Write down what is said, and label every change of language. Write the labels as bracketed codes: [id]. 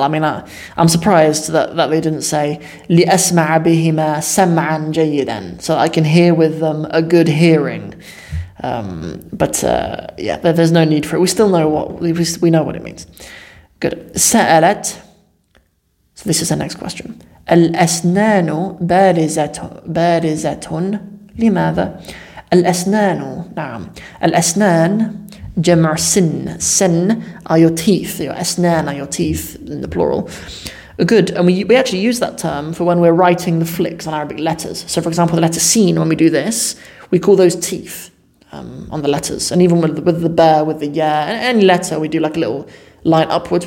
[en] I mean, I'm surprised that they didn't say [ar] لأسمع بهما سمعا جيدا, [en] so that I can hear with them a good hearing. There's no need for it. We still know what it means. Good. سألت. So this is the next question. [ar] الأسنان بارزة لماذا؟ الأسنان, نعم. الأسنان, جمع سن. [en] سن are your teeth. Your أسنان are your teeth in the plural. Good. And we actually use that term for when we're writing the flicks on Arabic letters. So, for example, the letter sin, when we do this, we call those teeth on the letters. And even with the ba, with the ya, any letter, we do like a little line upwards.